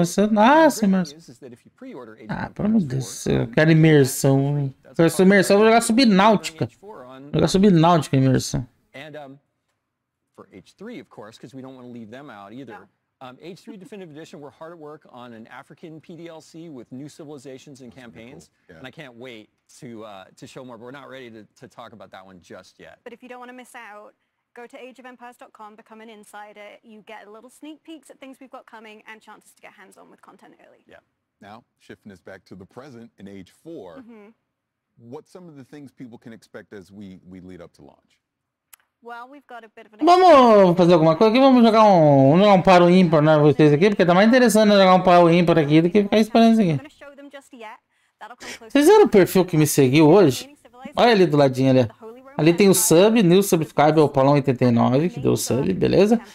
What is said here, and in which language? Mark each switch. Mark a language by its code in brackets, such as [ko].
[pt] Nossa, imersão. Ah, pelo amor de Deus, eu quero imersão. Se eu sou imersão, eu vou jogar Subnáutica. Imersão. [en] For H3, of course, because we don't want to leave them out either. H3 Definitive Edition, we're hard at work on an African PDLC with new civilizations and campaigns. Cool. Yeah. And I can't wait to show more, but we're not ready to talk about that one just yet. But if you don't want to miss out, go to ageofempires.com, become an insider. You get a little sneak peeks at things we've got coming and chances to get hands-on with content early. Yeah. Now, shifting us back to the present in Age 4, what's some of the things people can expect as we lead up to launch? [pt] Vamos fazer alguma coisa aqui, vamos jogar um par o ímpar, né, vocês aqui, porque tá mais interessante jogar um par o ímpar aqui do que ficar esperando isso aqui. Vocês viram o perfil que me seguiu hoje? Olha ali do ladinho ali. Ali tem o sub, [en] new subscriber, [pt] o Paulão 89, que deu sub, beleza?